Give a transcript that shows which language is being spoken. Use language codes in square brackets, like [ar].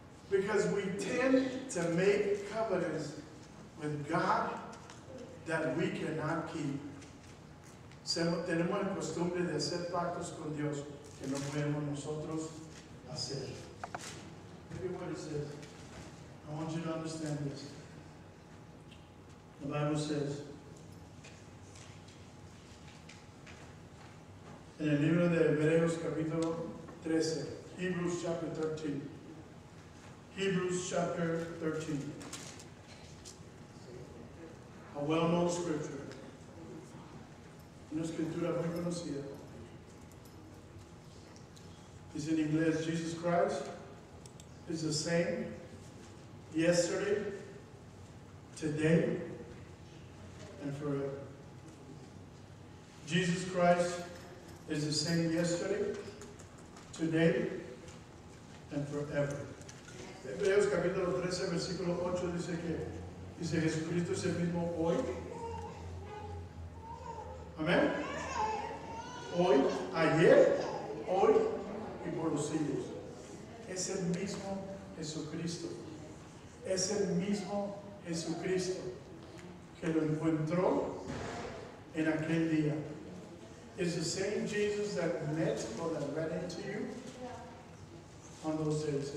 [en] Because we tend to make covenants with God that we cannot keep. [es] Tenemos la costumbre de hacer pactos con Dios que no podemos nosotros hacer. [en] Everybody says, I want you to understand this. The Bible says, [es] en el libro de Hebreos capítulo 13, [en] Hebrews chapter 13. Hebrews chapter 13. A well-known scripture. [es] Una escritura muy conocida. [en] Is in English, Jesus Christ is the same yesterday, today and forever. Jesus Christ is the same yesterday, today, and forever. [es] Hebreos capítulo 13, versículo 8 dice que dice Jesucristo es el mismo hoy. Amén. Hoy, ayer, hoy y por los siglos. Es el mismo Jesucristo. Es el mismo Jesucristo que lo encontró en aquel día. [en] It's the same Jesus that met or that ran into you on those days.